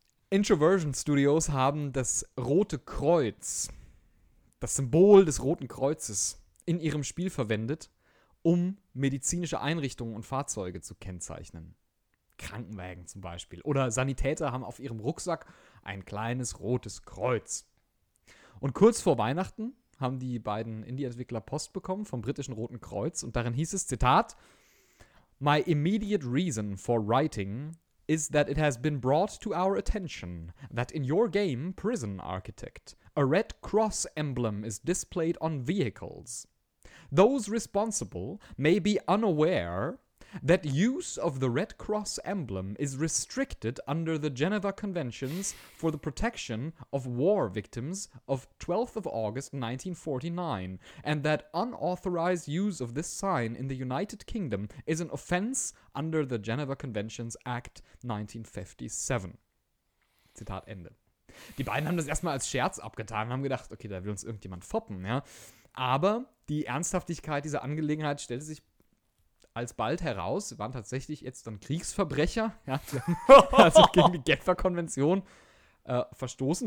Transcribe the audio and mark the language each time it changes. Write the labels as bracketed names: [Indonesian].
[German] Introversion Studios haben das Rote Kreuz, das Symbol des Roten Kreuzes, in ihrem Spiel verwendet, um medizinische Einrichtungen und Fahrzeuge zu kennzeichnen. Krankenwagen zum Beispiel. Oder Sanitäter haben auf ihrem Rucksack ein kleines rotes Kreuz. Und kurz vor Weihnachten haben die beiden Indie-Entwickler Post bekommen vom britischen Roten Kreuz. Und darin hieß es, Zitat, [English] "My immediate reason for writing is that it has been brought to our attention that in your game, Prison Architect, a red cross emblem is displayed on vehicles. Those responsible may be unaware that use of the Red Cross emblem is restricted under the Geneva Conventions for the protection of war victims of 12th of August 1949, and that unauthorized use of this sign in the United Kingdom is an offense under the Geneva Conventions Act 1957. [German] Zitat Ende. Die beiden haben das erstmal als Scherz abgetan und haben gedacht, okay, da will uns irgendjemand foppen, ja. Aber die Ernsthaftigkeit dieser Angelegenheit stellte sich alsbald heraus, waren tatsächlich jetzt dann Kriegsverbrecher, ja, also gegen die Genfer Konvention verstoßen.